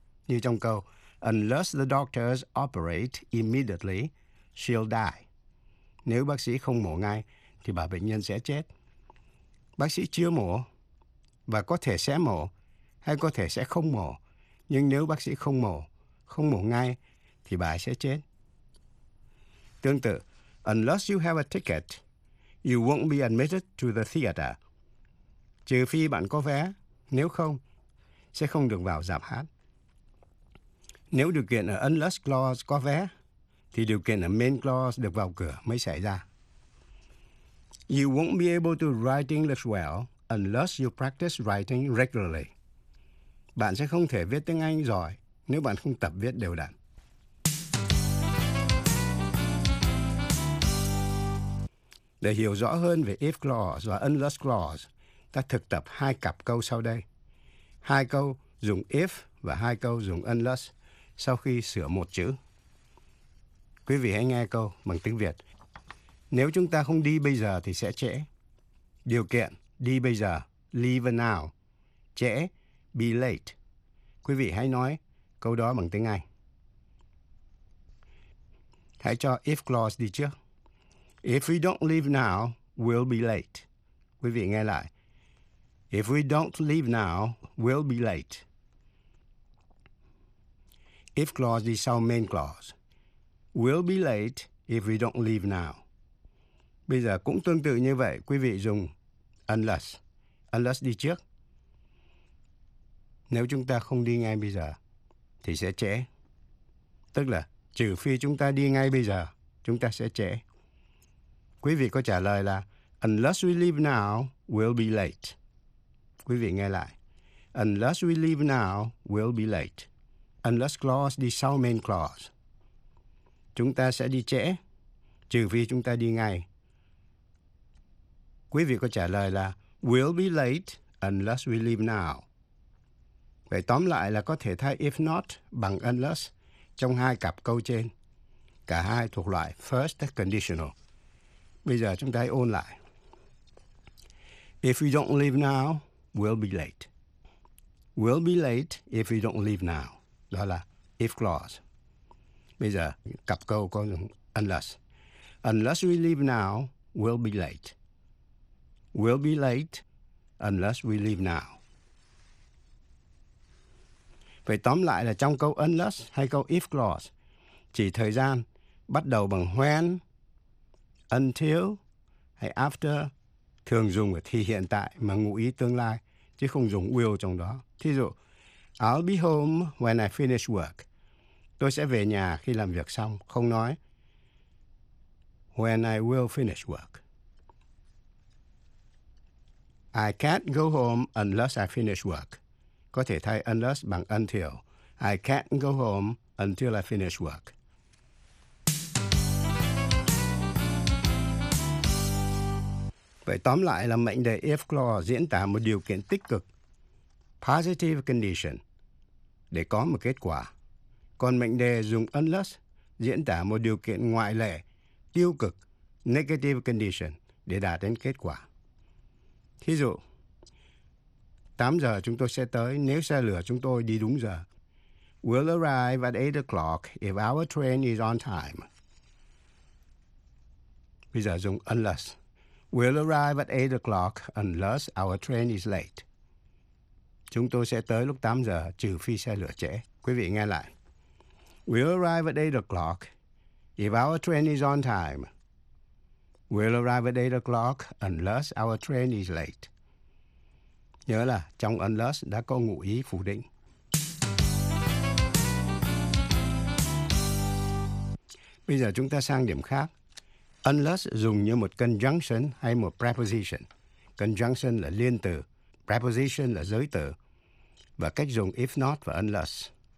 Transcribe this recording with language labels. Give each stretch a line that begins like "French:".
Vietnamese: Như trong câu,
English: unless the doctors operate immediately, she'll die.
Vietnamese: Nếu bác sĩ không mổ ngay, thì bà bệnh nhân sẽ chết. Bác sĩ chưa mổ, và có thể sẽ mổ, hay có thể sẽ không mổ. Nhưng nếu bác sĩ không mổ ngay, thì bà sẽ chết. Tương tự,
English: unless you have a ticket, you won't be admitted to the theater.
Vietnamese: Trừ phi bạn có vé, nếu không, sẽ không được vào rạp hát. Nếu điều kiện ở unless clause có vé, thì điều kiện ở main clause được vào cửa mới xảy ra.
English: You won't be able to write English well unless you practice writing regularly.
Vietnamese: Bạn sẽ không thể viết tiếng Anh giỏi nếu bạn không tập viết đều đặn. Để hiểu rõ hơn về if clause và unless clause, ta thực tập hai cặp câu sau đây. Hai câu dùng if và hai câu dùng unless sau khi sửa một chữ. Quý vị hãy nghe câu bằng tiếng Việt. Nếu chúng ta không đi bây giờ thì sẽ trễ. Điều kiện đi bây giờ,
English: leave now.
Vietnamese: Trễ,
English: be late.
Vietnamese: Quý vị hãy nói câu đó bằng tiếng Anh. Hãy cho if clause đi trước.
English: If we don't leave now, we'll be late.
Vietnamese: Quý vị nghe lại.
English: If we don't leave now, we'll be late. If clause
Vietnamese: đi sau
English: main clause. We'll be late if we don't leave now.
Vietnamese: Bây giờ cũng tương tự như vậy, quý vị dùng unless. Unless đi trước. Nếu chúng ta không đi ngay bây giờ, thì sẽ trễ. Tức là, trừ phi chúng ta đi ngay bây giờ, chúng ta sẽ trễ. Quý vị có trả lời là,
English: unless we leave now, we'll be late.
Vietnamese: Quý vị nghe lại.
English: Unless we leave now, we'll be late. Unless clause
Vietnamese: đi sau
English: main clause.
Vietnamese: Chúng ta sẽ đi trễ, trừ phi chúng ta đi ngay. Quý vị có trả lời là
English: we'll be late unless we leave now.
Vietnamese: Vậy tóm lại là có thể thay if not bằng unless trong hai cặp câu trên. Cả hai thuộc loại first conditional. Bây giờ chúng ta hãy ôn lại.
English: If we don't leave now, we'll be late. We'll be late if we don't leave now.
Vietnamese: Đó là if clause. Bây giờ cặp câu có unless.
English: Unless we leave now, we'll be late. We'll be late unless we leave now.
Vietnamese: Vậy tóm lại là trong câu unless hay câu if clause, chỉ thời gian bắt đầu bằng when, until hay after thường dùng ở thì hiện tại mà ngụ ý tương lai, chứ không dùng will trong đó. Thí dụ,
English: I'll be home when I finish work.
Vietnamese: Tôi sẽ về nhà khi làm việc xong, không nói
English: when I will finish work. I can't go home unless I finish work.
Vietnamese: Có thể thay unless bằng until.
English: I can't go home until I finish work.
Vietnamese: Vậy tóm lại là mệnh đề if clause diễn tả một điều kiện tích cực, positive condition, để có một kết quả. Còn mệnh đề dùng unless diễn tả một điều kiện ngoại lệ, tiêu cực, negative condition, để đạt đến kết quả. Thí dụ, 8 giờ chúng tôi sẽ tới nếu xe lửa chúng tôi đi đúng giờ.
English: We'll arrive at 8 o'clock if our train is on time.
Vietnamese: Bây giờ dùng unless.
English: We'll arrive at 8 o'clock unless our train is late.
Vietnamese: Chúng tôi sẽ tới lúc 8 giờ trừ phi xe lửa trễ. Quý vị nghe lại.
English: We'll arrive at 8 o'clock if our train is on time. We'll arrive at 8 o'clock unless our train is late.
Vietnamese: Nhớ là trong unless đã có ngụ ý phủ định. Bây giờ chúng ta sang điểm khác. Unless dùng như một conjunction hay một preposition. Conjunction là liên từ, preposition là giới từ. Và cách dùng if not và unless.